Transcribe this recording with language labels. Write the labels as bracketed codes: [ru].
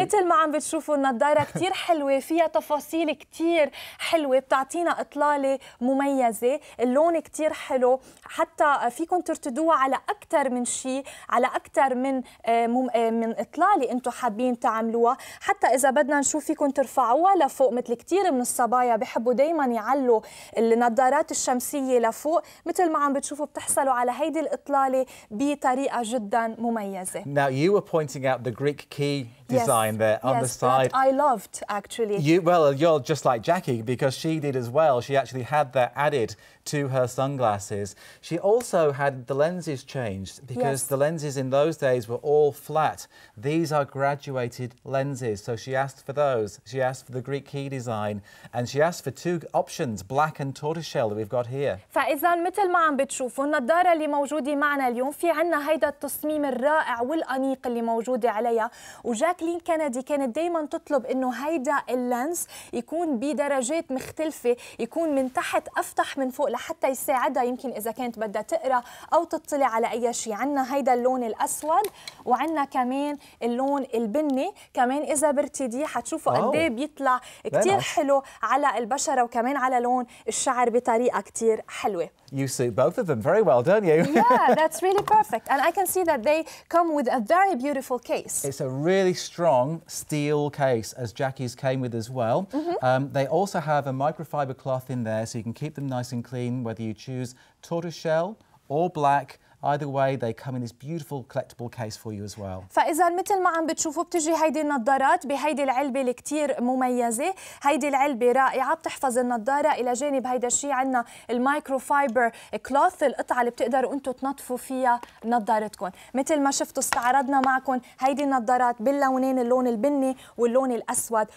[ar] مثل ما عم بتشوفوا النظارة كتير حلوة، فيها تفاصيل كتير حلوة بتعطينا إطلالة مميزة، اللون كتير حلو، حتى فيكم ترتدوها على أكتر من شيء، على أكتر من إطلالة أنتوا حابين تعملوها، حتى إذا بدنا نشوف فيكم ترفعوها لفوق مثل كتير من الصبايا بحبوا دايما يعلوا النظارات الشمسية لفوق، مثل ما عم بتشوفوا بتحصلوا على هيدي الإطلالة بطريقة جدا مميزة. [en] Now you were pointing out the Greek key design yes, there on yes, the side. Yes, I loved actually. You well, you're just like Jackie because she did as well. She actually had that added to her sunglasses. She also had the lenses changed because yes. the lenses in those days were all flat. These are graduated lenses, so she asked for those. She asked for the Greek key design, and she asked for two options: black and tortoiseshell that we've got here. [ar] فإذا مثل ما عم بتشوفوا النظارة اللي موجودة معنا اليوم في عنا هيدا التصميم الرائع والأنيق اللي موجودة عليها. جاكلين كينيدي كانت دايما تطلب انه هيدا اللنس يكون بدرجات مختلفة، يكون من تحت افتح من فوق لحتى يساعدها يمكن اذا كانت بدها تقرأ او تطلع على اي شيء. عنا هيدا اللون الاسود وعنا كمان اللون البني، كمان اذا برتدي حتشوفوا قد ايه بيطلع كتير حلو على البشرة وكمان على لون الشعر بطريقة كتير حلوة. [en] You suit both of them very well, don't you? Yeah, that's really perfect. And I can see that they come with a very beautiful case. It's a really strong steel case, as Jackie's came with as well. Mm-hmm. They also have a microfiber cloth in there, so you can keep them nice and clean, whether you choose tortoiseshell or black. Either way, they come in this beautiful collectible case for you as well. [ar] فإذا مثل ما عم بتشوفوا بتجي هيدي النظارات بهيدي العلبة اللي كتير مميزة. هيدي العلبة رائعة بتحفظ النظارة. إلى جانب هيدا الشيء عنا المايكروفايبر كلوث، القطعة اللي بتقدروا أنتوا تنظفوا فيها نظارتكم. مثل ما شفتوا استعرضنا معكم هيدي النظارات باللونين، اللون البني واللون الأسود.